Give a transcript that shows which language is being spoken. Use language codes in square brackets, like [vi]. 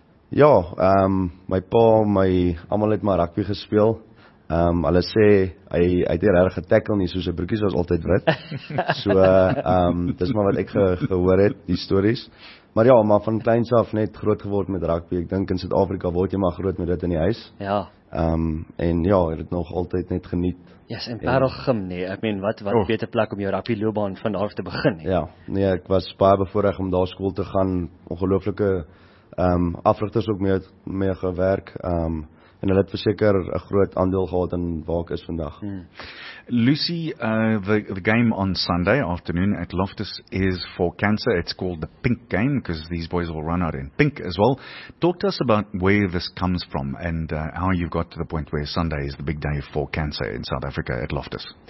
[af] Ja, my pa, my almal het maar rugby gespeel. Hulle sê hy het nie regtig getackle nie, so sy broekies was altyd wit. So dis maar wat ek gehoor het, die stories. Maar ja, maar van kleins af net groot geword met rugby. Ek dink in Suid-Afrika word jy maar groot met dit in die huis. Ja. En ja, ek het nog altyd net geniet. Ja, yes, in Parel Gym nee. Ek meen wat beter plek om jou rugby loopbaan van daar af te begin nie. Ja. Nee, ek was baie bevoorreg om daar skool te gaan. Ongelooflike afrigters ook mee gewerk. En hulle het verseker 'n groot aandeel gehad in waar ek is vandag. [en] Lucy, the game on Sunday afternoon at Loftus is for cancer. It's called the pink game because these boys will run out in pink as well. Talk to us about where this comes from and how you got to the point where Sunday is the big day for cancer in South Africa at Loftus.